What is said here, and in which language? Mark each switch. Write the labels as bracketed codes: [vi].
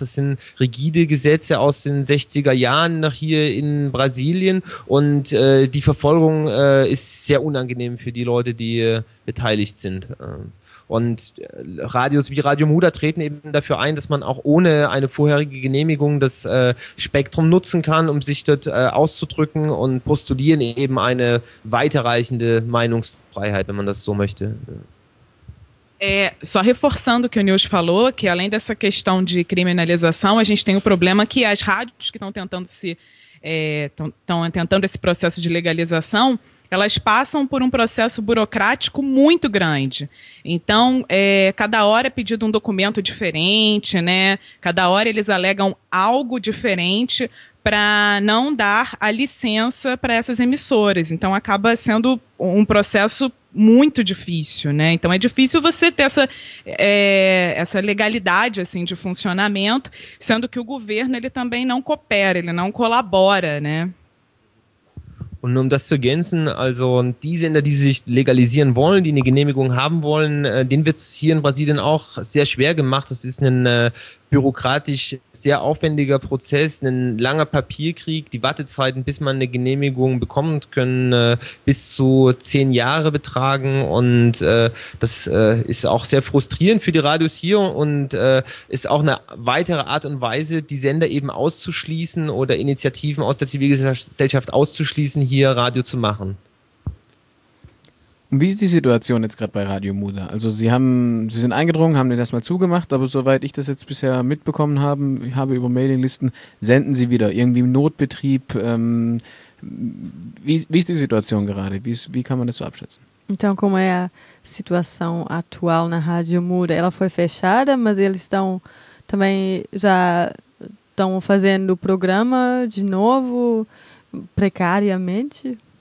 [de] Das sind rigide Gesetze aus den 60er Jahren nach hier in Brasilien und die Verfolgung ist sehr unangenehm für die Leute, die beteiligt sind. Und Radios wie Radio Muda treten eben dafür ein, dass man auch ohne eine vorherige Genehmigung das Spektrum nutzen kann, um sich dort auszudrücken und postulieren eben eine weiterreichende Meinungsfreiheit, wenn man das so möchte. [pt] É, só reforçando o que o Nils falou, que além dessa questão de criminalização, a gente tem o problema que as rádios que estão tentando esse processo de legalização, elas passam por um processo burocrático muito grande. Então, cada hora é pedido um documento diferente, né? Cada hora eles alegam algo diferente para não dar a licença para essas emissoras. Então, acaba sendo um processo muito difícil, né? Então, é difícil você ter essa legalidade assim, de funcionamento, sendo que o governo ele também não coopera, ele não colabora, né? [de] Und um das zu ergänzen, also die Sender, die sich legalisieren wollen, die eine Genehmigung haben wollen, denen wird es hier in Brasilien auch sehr schwer gemacht. Das ist ein bürokratisch sehr aufwendiger Prozess, ein langer Papierkrieg. Die Wartezeiten, bis man eine Genehmigung bekommt, können bis zu 10 Jahre betragen. Und das ist auch sehr frustrierend für die Radios hier und ist auch eine weitere Art und Weise, die Sender eben auszuschließen oder Initiativen aus der Zivilgesellschaft auszuschließen, hier Radio zu machen. Wie ist die Situation jetzt gerade bei Radio Muda? Also Sie sind eingedrungen, haben den erstmal zugemacht, aber soweit ich das jetzt bisher mitbekommen habe über Mailinglisten, senden Sie wieder irgendwie im Notbetrieb. Wie ist die Situation gerade? Wie kann man das so abschätzen? [pt] Então, como é a situação atual na Radio Muda? Ela foi fechada, mas eles estão também já estão fazendo o programa de novo, precariamente.